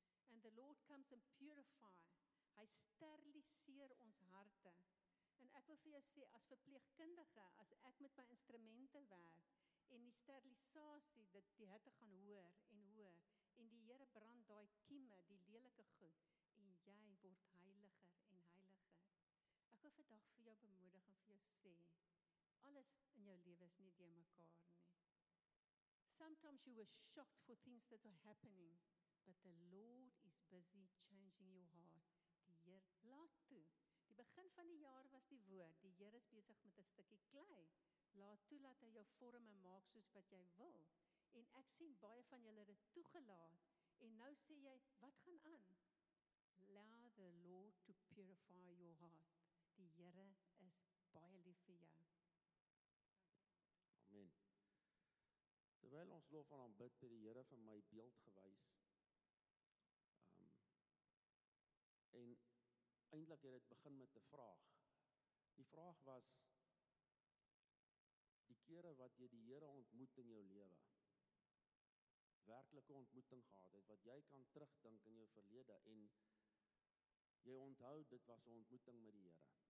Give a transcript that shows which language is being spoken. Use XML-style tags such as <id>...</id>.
<en>And the Lord comes and purify.</en> <af>Hy steriliseer ons harte. En ek wil vir jou sê, as verpleegkundige, as ek met my instrumente werk, en die sterilisasie, dat die hitte gaan hoor en hoor, en die Here brand daai kieme, die lelike goed, en jy word heiliger en heiliger. Ek wil vandag vir jou bemoedig en vir jou sê, alles in jou lewe is nie deur mekaar nie.</af> <en>Sometimes you are shocked for things that are happening, but the Lord is busy changing your heart.</en> <af>Die Here laat toe. Die begin van die jaar was die woord, die Here is besig met 'n stukkie klei. Laat toe dat hy jou vorme maak soos wat jy wil. En ek sien baie van julle het toegelaat. En nou sê jy, wat gaan aan?</af> <en>Allow the Lord to purify your heart.</en> <af>Die Here is baie lief vir jou. Amen. Terwyl ons lof en aanbid, het die Here vir my beeld gewys. En eindelijk het begin met 'n vraag. Die vraag was, die kere wat jy die Here ontmoet in jou lewe, werklike ontmoeting gehad het, wat jy kan terugdink in jou verlede, en jy onthou, dit was 'n ontmoeting met die Here.</af>